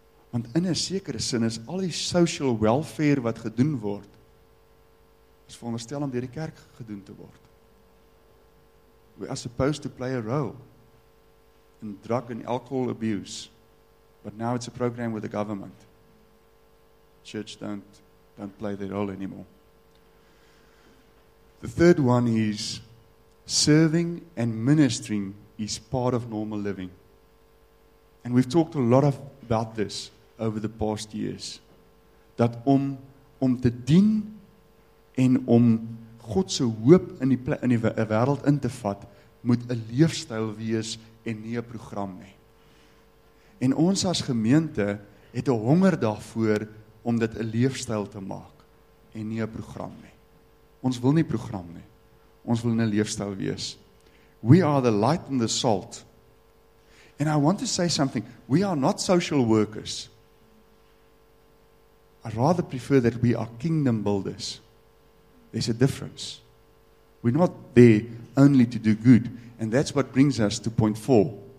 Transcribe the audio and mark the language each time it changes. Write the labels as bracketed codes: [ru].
[af] Want in 'n sekere sin is al die social welfare wat gedoen word is veronderstel om deur die kerk gedoen te word. [en] We are supposed to play a role in drug and alcohol abuse. But now it's a program with the government. Church don't play their role anymore. The third one is serving and ministering is part of normal living. And we've talked a lot about this over the past years. [af] Dat om te dien en om God se hoop in die wêreld in te vat, moet 'n leefstyl wees en nie 'n program nie. En ons as gemeente het 'n honger daarvoor om dit 'n leefstyl te maak en nie 'n program nie. Ons wil nie program nie. Ons wil 'n leefstyl wees. [en] We are the light and the salt. And I want to say something. We are not social workers. I rather prefer that we are kingdom builders. There's a difference. We're not there only to do good. And that's what brings us to point four.